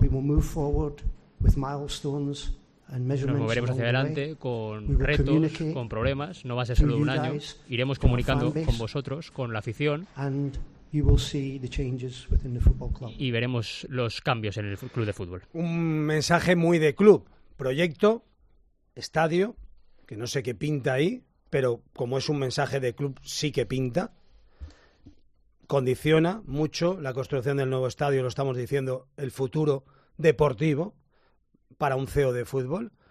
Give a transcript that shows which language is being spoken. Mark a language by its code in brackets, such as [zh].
[es] Nos moveremos hacia adelante con retos, con problemas. No va a ser solo un año. Iremos comunicando con vosotros, con la afición. [en] You will see the changes within the football club. [es] Y veremos los cambios en el club de fútbol. Un mensaje muy de club. Proyecto, estadio, que no sé qué pinta ahí, pero como es un mensaje de club, sí que pinta. Condiciona mucho la construcción del nuevo estadio, lo estamos diciendo, el futuro deportivo para un CEO de fútbol.